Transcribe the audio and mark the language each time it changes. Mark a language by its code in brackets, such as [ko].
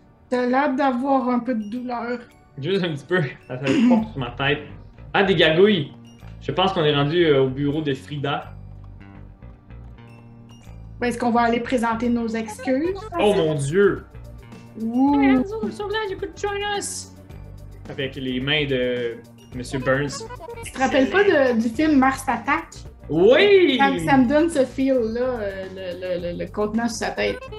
[fr] T'as l'air d'avoir un peu de douleur. Juste un petit peu. Ça fait un pont sur ma tête. Ah, des gargouilles. Je pense qu'on est rendu au bureau de Frida. Ben, est-ce qu'on va aller présenter nos excuses? Oh, mon Dieu! Ooh. [en] Hey, Hazel, we're so glad you could join us! [fr] Avec les mains de Monsieur Burns. Tu te rappelles pas du film Mars Attaque? Oui! Ça me donne ce feel-là, le contenant sur sa tête.